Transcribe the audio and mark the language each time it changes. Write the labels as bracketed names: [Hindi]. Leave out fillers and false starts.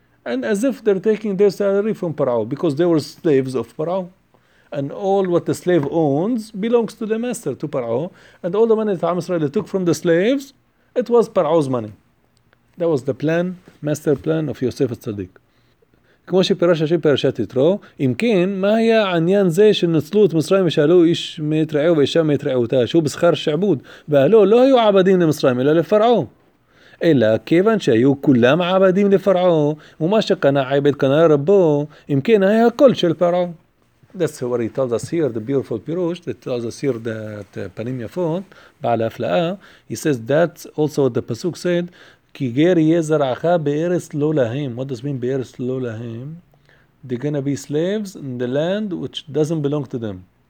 [English] And as if they're taking their salary from Parao, because they were slaves of Parao. And all what the slave owns belongs to the master, to Parao. And all the money that Am Israel took from the slaves, it was Parao's money. That was the plan, master plan of Yosef HaTzadik. [Hebrew] כמו שפירש השם פרשת יתרו, אם כן, מה היה העניין זה שנצלו את מצרים ושאלו איש מאת רעהו ואישה מאת רעהותה, שהוא בשכר שעבוד, ואלו לא היו עבדים למצרים אלא לפרעו. אלא כיוון שהיו כולם עבדים לפרעו, ומה שקנה עבד קנה רבו, אם כן היה הכל של פרעו. [English] That's what he tells us here, the beautiful Pirush, that tells us here that Panim Yafot, Baal Aflaa, he says that's also what the Pasuk said, [Hebrew] Ki ger yeh zara'acha be'eres lo lahem. [English] What does it mean [Hebrew] be'eres lo lahem? [English] They're going to be slaves in the land which doesn't belong to them.